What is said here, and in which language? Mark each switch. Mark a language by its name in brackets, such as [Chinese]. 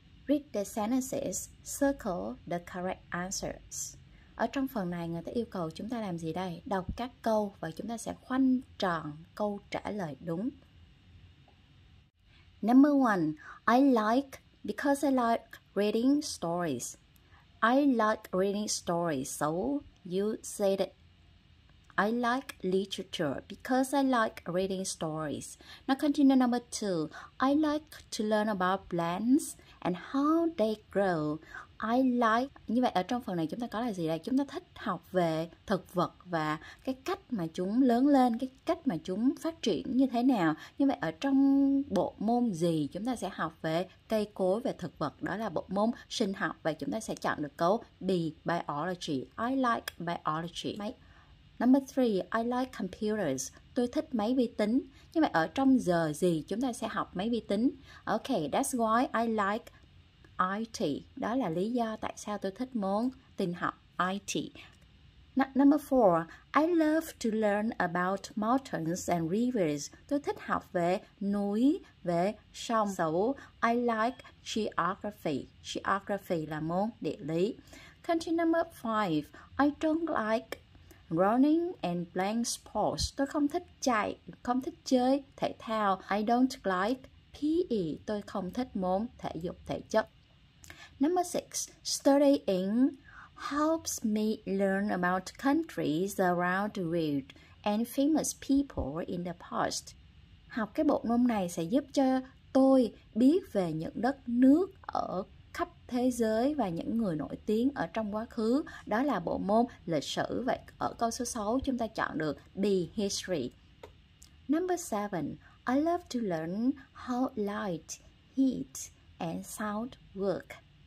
[English] Read the sentences, circle the correct answers. [Vietnamese] Ở trong phần này, người ta yêu cầu chúng ta làm gì đây? Đọc các câu và chúng ta sẽ khoanh tròn câu trả lời đúng. [English] Number one, I like because I like reading stories. I like reading stories, so you say that I like literature because I like reading stories. Now continue number two. I like to learn about plants and how they grow. I like, [Vietnamese] như vậy ở trong phần này chúng ta có là gì đây? Chúng ta thích học về thực vật và cái cách mà chúng lớn lên, cái cách mà chúng phát triển như thế nào. Như vậy ở trong bộ môn gì chúng ta sẽ học về cây cối, về thực vật, đó là bộ môn sinh học. Và chúng ta sẽ chọn được câu B, biology. [English] I like biology. Number 3, I like computers. [Vietnamese] Tôi thích máy vi tính. Như vậy ở trong giờ gì chúng ta sẽ học máy vi tính? [English] Okay, that's why I like IT. [Vietnamese] Đó là lý do tại sao tôi thích môn tin học IT. [English] Number 4, I love to learn about mountains and rivers. [Vietnamese] Tôi thích học về núi, về sông. [English] So, I like geography. Geography [Vietnamese] là môn địa lý. [English] Country number 5, I don't like running and playing sports. [Vietnamese] Tôi không thích chạy, không thích chơi thể thao. [English] I don't like PE. [Vietnamese] Tôi không thích môn thể dục thể chất. [English] Number 6, studying helps me learn about countries around the world and famous people in the past. [Vietnamese] Học cái bộ môn này sẽ giúp cho tôi biết về những đất nước ở khắp thế giới và những người nổi tiếng ở trong quá khứ. Đó là bộ môn lịch sử. Vậy ở câu số 6 chúng ta chọn được B, history. [English] Number 7, I love to learn how light, heat and sound work.